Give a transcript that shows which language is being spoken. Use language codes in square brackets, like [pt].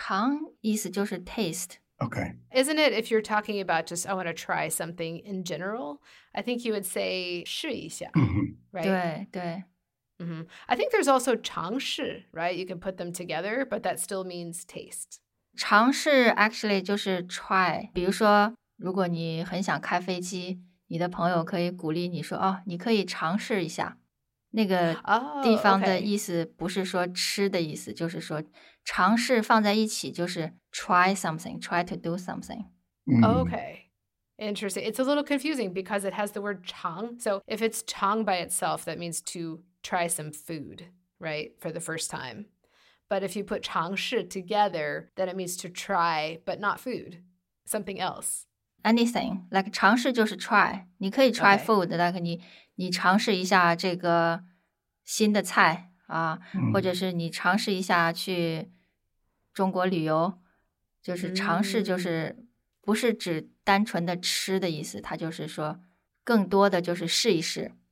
[zh] 尝意思就是taste. [en] Okay. Isn't it if you're talking about just, I want to try something in general, I think you would say 试一下, right? [zh] 对, [en] I think there's also 尝试, right? You can put them together, but that still means taste. [zh] 尝试 [en] actually [zh] 就是 try. 比如说如果你很想开飞机, 你的朋友可以鼓励你说, 哦, 你可以尝试一下。那个地方的意思不是说吃的意思, 就是说尝试放在一起, 就是 [en] try something, try to do something. Okay. Interesting. It's a little confusing because it has the word 尝. So if it's 尝 by itself, that means to try some food, right, for the first time. But if you put 尝试 together, then it means to try, but not food, something else. anything. Like [zh] 尝试就是 [en] try. [zh] 你可以 [en] try food, [zh] 但是你尝试一下这个新的菜啊、或者是你尝试一下去中国旅游，就是尝试就是不是指单纯的吃的意思，它就是说更多的就是试一试。